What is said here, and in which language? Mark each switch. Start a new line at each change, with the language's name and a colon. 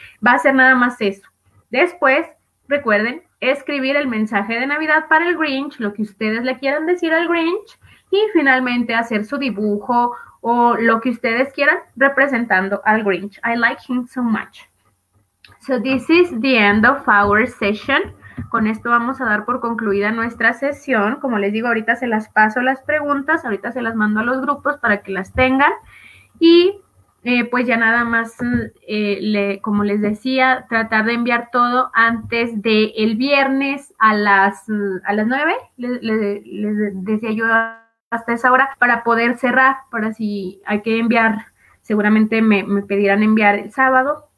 Spanish: Va a ser nada más eso. Después, recuerden, escribir el mensaje de Navidad para el Grinch, lo que ustedes le quieran decir al Grinch, y finalmente hacer su dibujo o lo que ustedes quieran representando al Grinch.
English: I like him so much. So this is the end of our session.
Spanish: Con esto vamos a dar por concluida nuestra sesión. Como les digo, ahorita se las paso las preguntas, ahorita se las mando a los grupos para que las tengan. Y pues ya nada más, como les decía, tratar de enviar todo antes de el viernes a las 9, les decía yo hasta esa hora, para poder cerrar, para si hay que enviar, seguramente me pedirán enviar el sábado.